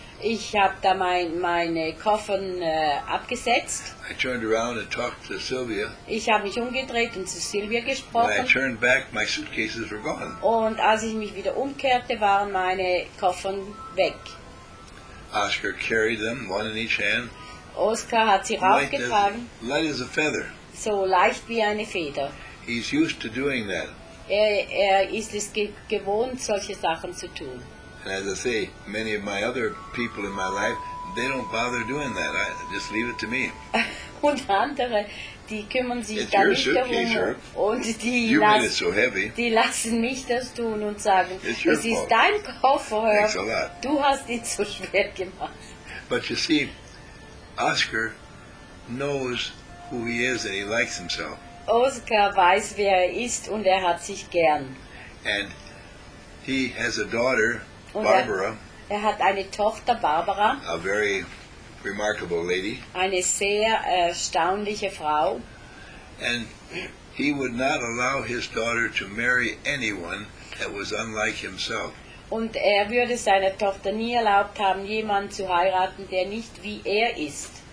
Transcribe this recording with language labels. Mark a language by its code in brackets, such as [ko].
[de] Ich habe da meine Koffern abgesetzt. [en] I turned around and talked to Sylvia. [de] Ich habe mich umgedreht und zu Sylvia gesprochen. [en] When I turned back, my suitcases were gone. [de] Und als ich mich wieder umkehrte, waren meine Koffern weg. [en] Oscar carried them, one in each hand. [de] Oscar hat sie raufgetragen. [en] Light as a feather. [de] So leicht wie eine Feder. [en] He's used to doing that. [de] Er ist es gewohnt, solche Sachen zu tun. [en] And as I say, many of my other people in my life, they don't bother doing that. I just leave it to me. [de] und andere, die kümmern sich [en] it's [de] gar nicht darum und die, die lassen mich das tun und sagen, es ist dein Koffer, Herr. Du hast ihn so schwer gemacht. [en] But you see, Oscar knows who he is and he likes himself. [de] Oscar weiß, wer er ist und er hat sich gern. [en] And he has a daughter, Barbara. [de] Er hat eine Tochter, Barbara. [en] A very remarkable lady. [de] Eine sehr erstaunliche Frau. [en] And he would not allow his daughter to marry anyone that was unlike himself. [de] Und er würde seiner Tochter nie erlaubt haben, jemanden zu heiraten, der nicht wie er ist.